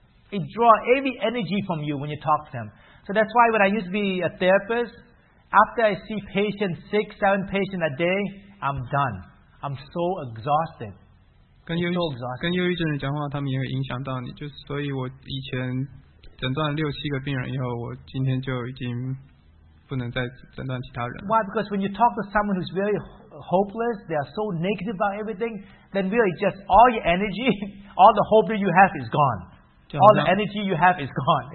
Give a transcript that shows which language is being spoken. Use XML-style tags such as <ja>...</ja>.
<en>It draws every energy from you when you talk to them. So that's why when I used to be a therapist,After I see patients, 6-7 patients a day, I'm done. I'm so exhausted.</en> <zh>跟忧郁症人讲话，他们也会影响到你。就是所以我以前诊断6-7个病人以后，我今天就已经不能再诊断其他人。</zh> <en>Why? Because when you talk to someone who's very hopeless, they are so negative about everything, then really just all your energy, all the hope that you have is gone. All the energy you have is gone.</en>